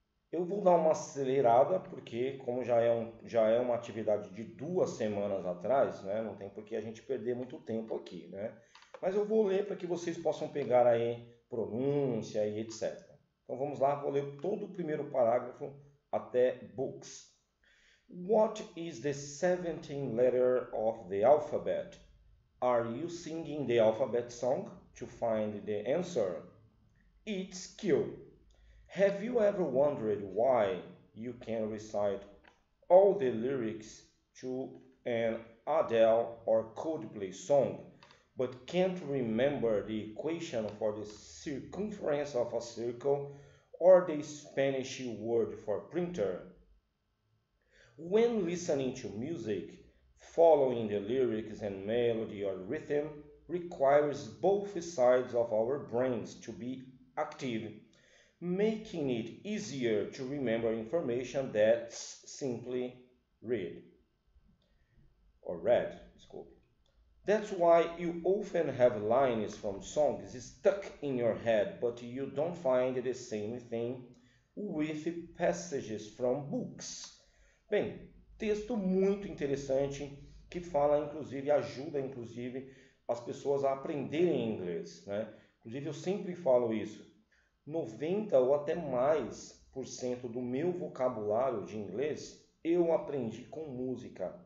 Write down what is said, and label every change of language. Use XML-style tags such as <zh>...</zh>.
<pt>Eu vou dar uma acelerada, porque como já é uma atividade de 2 semanas atrás, né? Não tem por que a gente perder muito tempo aqui, né? Mas eu vou ler para que vocês possam pegar aí pronúncia e etc. Então vamos lá, vou ler todo o primeiro parágrafo até books.</pt> <en>What is the 17th letter of the alphabet? Are you singing the alphabet song to find the answer? It's Q. Have you ever wondered why you can recite all the lyrics to an Adele or Coldplay song, but can't remember the equation for the circumference of a circle or the Spanish word for printer? When listening to music, following the lyrics and melody or rhythm requires both sides of our brains to be active, making it easier to remember information that's simply read or read,</en> <pt>desculpe.</pt> <en>That's why you often have lines from songs stuck in your head, but you don't find the same thing with passages from books.</en> <pt>Bem, texto muito interessante que fala, inclusive, ajuda, inclusive, as pessoas a aprenderem inglês, né? Inclusive, eu sempre falo isso. 90 ou até mais por cento do meu vocabulário de inglês eu aprendi com música.</pt>